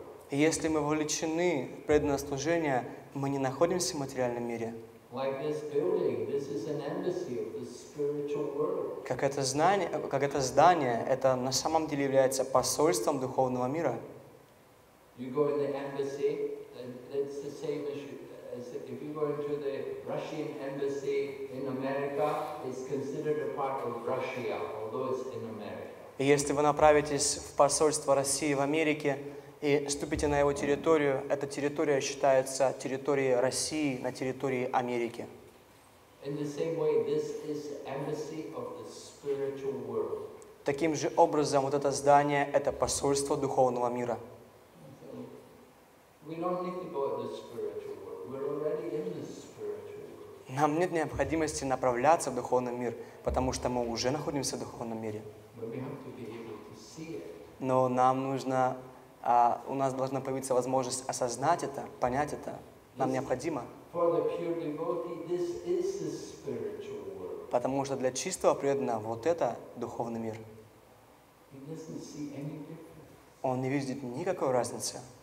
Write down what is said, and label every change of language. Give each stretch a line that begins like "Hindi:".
Russian: Если мы вовлечены в преданное служение, мы не находимся в материальном мире. Как это здание, это на самом деле является посольством духовного мира.
English: You go in the embassy, and it's the same as if you go into the Russian embassy in America, it's considered a part of Russia, although it's in America.
Russian: Если вы направитесь в посольство России в Америке и ступите на его территорию, эта территория считается территорией России на территории Америки.
English: In the same way, this is embassy of the spiritual world.
Russian: Таким же образом, вот это здание — это посольство духовного мира.
English: We don't need to go to the spiritual world. We're already in the spiritual world.
Russian: Нам нет необходимости направляться в духовный мир, потому что мы уже находимся в духовном мире.
English: But we have to be able to see it.
Russian: Но нам нужно, у нас должна появиться возможность осознать это, понять это. Нам необходимо.
English: For the pure devotee, this is the spiritual world.
Russian: Потому что для чистого преданного вот это духовный мир.
English: He doesn't see any difference.
Russian: Он не видит никакой разницы.